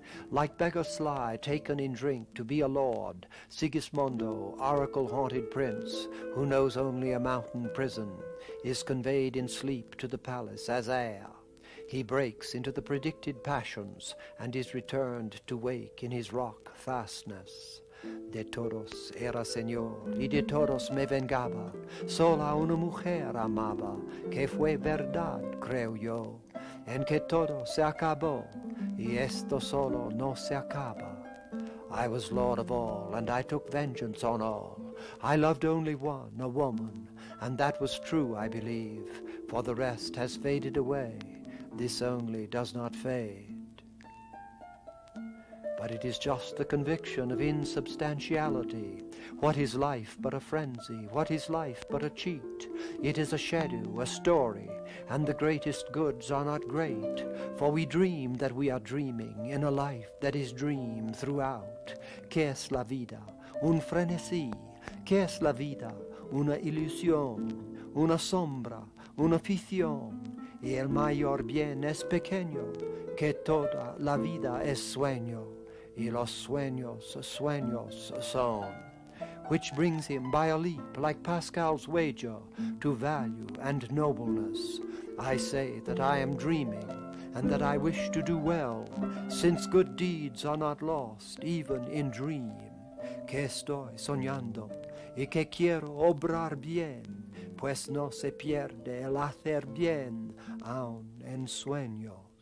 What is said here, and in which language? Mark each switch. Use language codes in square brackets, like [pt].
[en] Like beggar sly, taken in drink to be a lord, Sigismondo, oracle-haunted prince, who knows only a mountain prison, is conveyed in sleep to the palace as air. He breaks into the predicted passions and is returned to wake in his rock fastness. [es] De todos era señor y de todos me vengaba. Sola una mujer amaba, que fue verdad, creo yo, en que todo se acabó y esto solo no se acaba. [en] I was lord of all and I took vengeance on all. I loved only one, a woman, and that was true, I believe, for the rest has faded away. This only does not fade. But it is just the conviction of insubstantiality. What is life but a frenzy? What is life but a cheat? It is a shadow, a story, and the greatest goods are not great, for we dream that we are dreaming in a life that is dream throughout. [es] Que es la vida? Un frenesí. Que es la vida? Una ilusión. Una sombra. Una ficción. Y el mayor bien es pequeño, que toda la vida es sueño, y los sueños, sueños son. [en] Which brings him by a leap, like Pascal's wager, to value and nobleness. I say that I am dreaming, and that I wish to do well, since good deeds are not lost, even in dream. [es] Que estoy soñando, y que quiero obrar bien. Pues no se pierde el hacer bien aun en sueños.